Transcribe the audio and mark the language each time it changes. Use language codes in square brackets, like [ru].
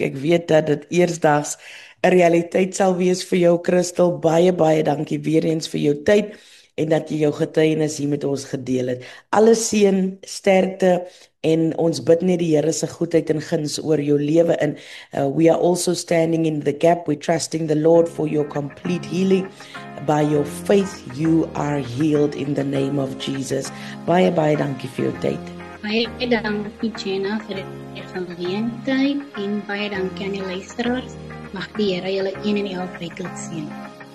[af] Ek weet dat dit eersdaags 'n realiteit sal wees vir jou, Christel. Baie baie dankie weer eens vir jou tyd en dat jy jou getuienis hier met ons gedeel het. Alle seën, sterkte en ons bid net die Here se goedheid en guns oor jou lewe in. [en] We are also standing in the gap. We're trusting the Lord for your complete healing. By your faith you are healed in the name of Jesus. [af] Baie baie dankie vir jou tyd. Baie dankie, Jenna, vir die geleentheid en baie dankie aan die luisteraars. Mag die Here julle een en al rykelik seën.